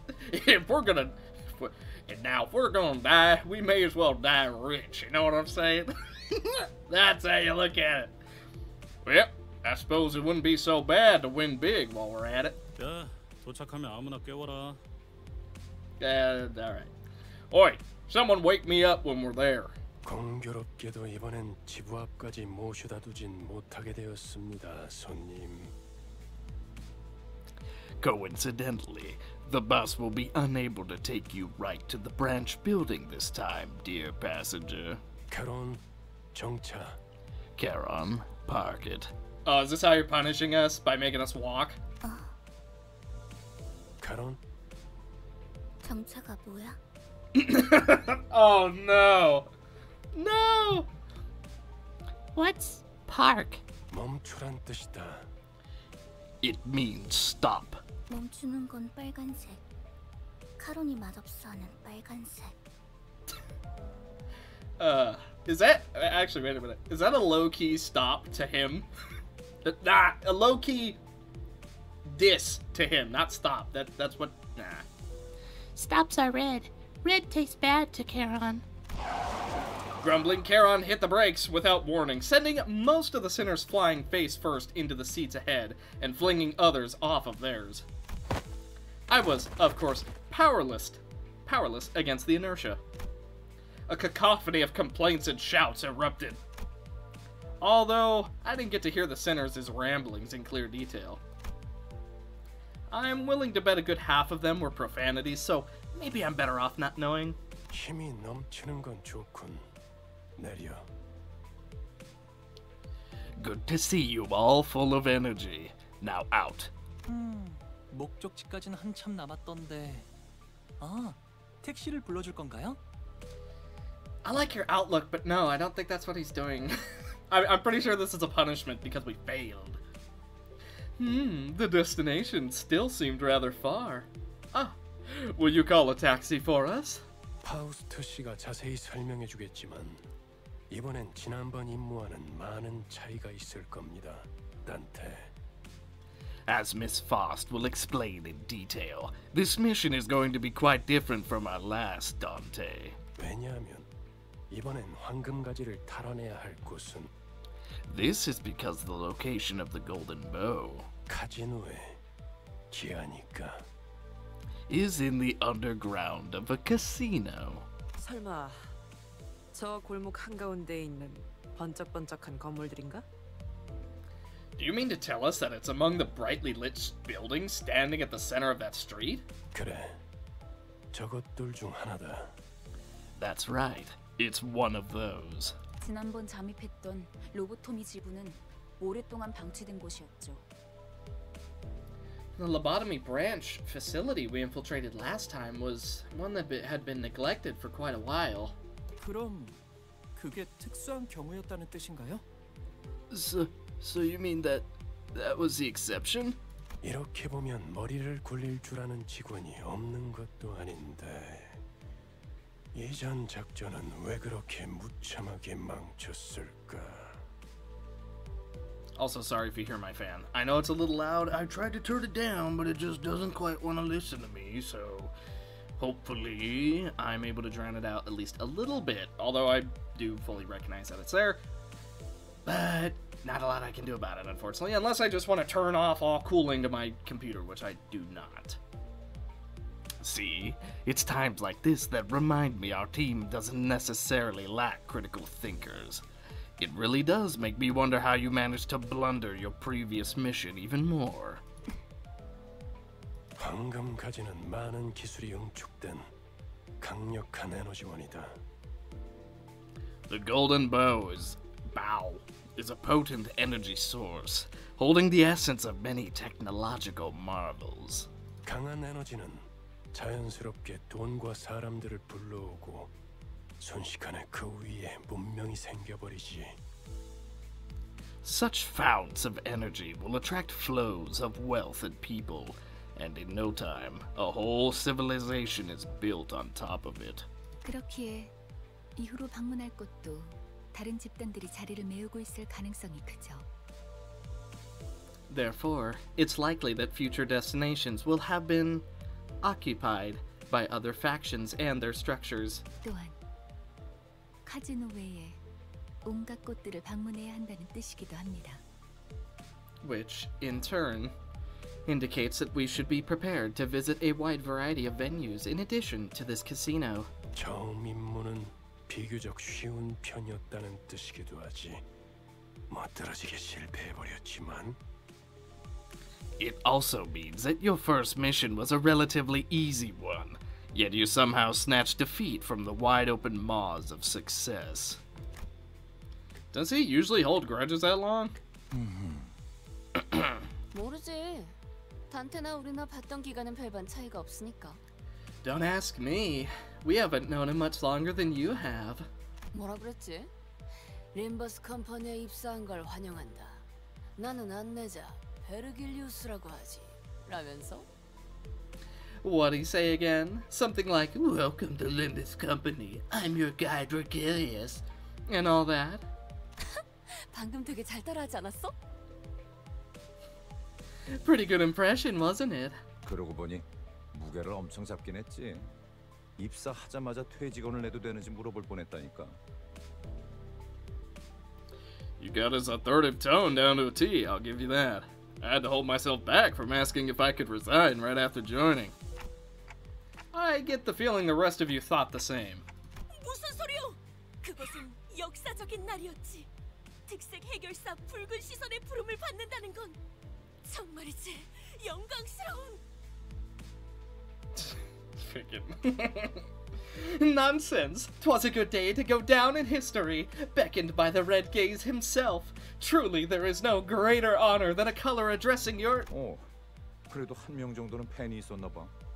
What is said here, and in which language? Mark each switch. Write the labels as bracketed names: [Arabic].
[English] If we're gonna die, we may as well die rich, you know what I'm saying? That's how you look at it. Well, I suppose it wouldn't be so bad to win big while we're at it. [Korean] Yeah, 도착하면 아무나 깨워라. [English] Alright. Oi, someone wake me up when we're there. [Korean] 공교롭게도 이번엔 지구 앞까지 모셔다 두진 못하게 되었습니다, 손님. [English] Coincidentally, the bus will be unable to take you right to the branch building this time, dear passenger. [Korean] Charon, 정차. [English] Charon, park it. Is this how you're punishing us? By making us walk? Charon? [Korean] 정차가 뭐야? [English] Oh no! No! What's park? [Korean] 멈추란 뜻이다. [English] It means stop. [Korean] 멈추는 건 빨간색. 카론이 맛없어 하는 빨간색. [English] Is that actually wait a minute? Is that a low key stop to him? Nah, a low key diss to him, not stop. That's what. Nah. Stops are red. Red tastes bad to Charon. Grumbling, Charon hit the brakes without warning, sending most of the sinners flying face first into the seats ahead and flinging others off of theirs. I was, of course, powerless against the inertia. A cacophony of complaints and shouts erupted. Although, I didn't get to hear the sinners' ramblings in clear detail. I am willing to bet a good half of them were profanities, so maybe I'm better off not knowing. [Korean] 힘이 넘치는 건 좋군. 내려. [English] Good to see you all full of energy. Now out. [Korean] 목적지까지는 한참 남았던데. 아, 택시를 불러줄 건가요? [English] I like your outlook, but no, I don't think that's what he's doing. I'm pretty sure this is a punishment because we failed. The destination still seemed rather far. Will you call a taxi for us? [Korean] 파우스트 씨가 자세히 설명해 주겠지만 이번엔 지난번 임무와는 많은 차이가 있을 겁니다, 단테. [English] As Miss Faust will explain in detail, this mission is going to be quite different from our last, Dante. [Korean] 왜냐하면 이번엔 황금 가지를 탈환해야 할 곳은 [English] This is because the location of the golden bow [Korean] 카지노에 기하니까 [English] is in the underground of a casino. [Korean] 설마 저 골목 한가운데에 있는 번쩍번쩍한 건물들인가? [English] Do you mean to tell us that it's among the brightly lit buildings standing at the center of that street? [Korean] 그래, 저것들 중 하나다. [English] That's right, it's one of those. [Korean] 지난번 잠입했던 로보토미 지부는 오랫동안 방치된 곳이었죠. [English] The lobotomy branch facility we infiltrated last time was one that had been neglected for quite a while. [Korean] 그럼, 그게 특수한 경우였다는 뜻인가요? [English] So you mean that was the exception? [Korean] 이렇게 보면 머리를 굴릴 줄 아는 직원이 없는 것도 아닌데 예전 작전은 왜 그렇게 무참하게 망쳤을까? [English] Also, sorry if you hear my fan. I know it's a little loud. I tried to turn it down, but it just doesn't quite want to listen to me, so... Hopefully, I'm able to drown it out at least a little bit, although I do fully recognize that it's there. But not a lot I can do about it, unfortunately, unless I just want to turn off all cooling to my computer, which I do not. See, it's times like this that remind me our team doesn't necessarily lack critical thinkers. It really does make me wonder how you managed to blunder your previous mission even more. [Korean] 황금까지는 많은 기술이 응축된 강력한 에너지원이다. [English] The golden bow is a potent energy source, holding the essence of many technological marvels. [Korean] 강한 에너지는 자연스럽게 돈과 사람들을 불러오고 순식간에 그 위에 문명이 생겨버리지. [English] Such founts of energy will attract flows of wealth and people, and in no time, a whole civilization is built on top of it. [Korean] 그렇기에 이후로 방문할 곳도 다른 집단들이 자리를 메우고 있을 가능성이 크죠. [English] Therefore, it's likely that future destinations will have been occupied by other factions and their structures. [Korean] 또한 카지노 외에 온갖 곳들을 방문해야 한다는 뜻이기도 합니다. [English] Which, in turn, indicates that we should be prepared to visit a wide variety of venues in addition to this casino. [Korean] 처음 임무는 비교적 쉬운 편이었다는 뜻이기도 하지. 멋들어지게 실패해버렸지만. [English] It also means that your first mission was a relatively easy one, yet you somehow snatched defeat from the wide-open maws of success. Does he usually hold grudges that long? [Korean] Mm-hmm. 모르지. 단테나 우리나 봤던 기간은 별반 차이가 없으니까. [English] Don't ask me. We haven't known him much longer than you have. [Korean] 뭐라 그랬지? 림버스 컴퍼니에 입사한 걸 환영한다. 나는 안내자. 베르길리우스라고 하지. 라면서? [English] What'd he say again? Something like, Welcome to Limbus Company. I'm your guide, Regilius. And all that. [Korean] 방금 되게 잘 따라하지 않았어? [English] Pretty good impression, wasn't it? [Korean] 그러고 보니 무게를 엄청 잡긴 했지. 입사하자마자 퇴직원을 내도 되는지 물어볼 뻔했다니까. [English] You got his authoritative tone down to a T, I'll give you that. I had to hold myself back from asking if I could resign right after joining. I get the feeling the rest of you thought the same. [Korean] 무슨 소리요? 그것은 역사적인 날이었지. 특색 해결사 붉은 시선의 부름을 받는다는 건 정말이지 영광스러운. [English] Freaking. Nonsense. 'Twas a good day to go down in history, beckoned by the Red Gaze himself. Truly, there is no greater honor than a color addressing your... [Korean] Oh, 그래도 한 명 정도는 팬이 있었나 봐.